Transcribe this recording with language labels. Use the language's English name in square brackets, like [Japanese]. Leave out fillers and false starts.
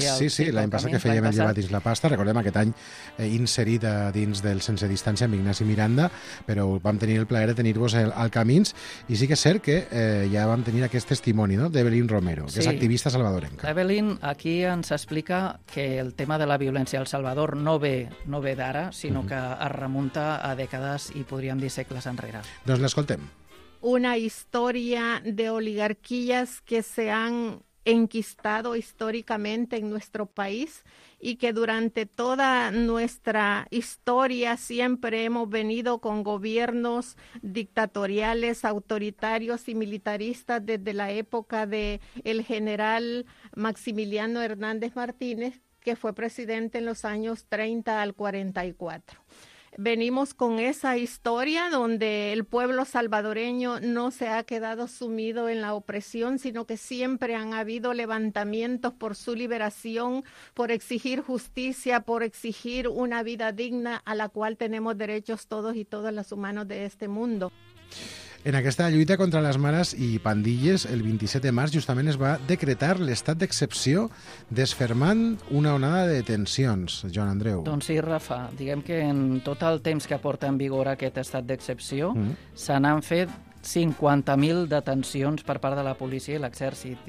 [Catalan] Camins, sí, l'any passat que fèiem el llevat dins la pasta, recordem aquest any inserit dins del Sense Distància amb Ignasi Miranda, però vam tenir el plaer de tenir-vos al Camins, i sí que és cert que ja vam tenir aquest testimoni, no?, d'Evelyn Romero, que sí. és activista salvadorenca. Evelyn aquí ens explica que el tema de la violència al Salvador no ve d'ara, sinó uh-huh. que es remunta a dècades i podríem dir segles enrere. Doncs l'escoltem. [Spanish] Una història de oligarquies que se han enquistado históricamente en nuestro país y que durante toda nuestra historia siempre hemos venido con gobiernos dictatoriales, autoritarios y militaristas desde la época de el general Maximiliano Hernández Martínez, que fue presidente en los años 30 al 44. Venimos con esa historia donde el pueblo salvadoreño no se ha quedado sumido en la opresión, sino que siempre han habido levantamientos por su liberación, por exigir justicia, por exigir una vida digna a la cual tenemos derechos todos y todas los humanos de este mundo. [Catalan] En aquesta lluita contra les mares i pandilles, el 27 de març justament es va decretar l'estat d'excepció desfermant una onada de detencions, Joan Andreu. Doncs sí, Rafa, diguem que en tot el temps que porta en vigor aquest estat d'excepció se n'han fet 50.000 detencions per part de la policia i l'exèrcit.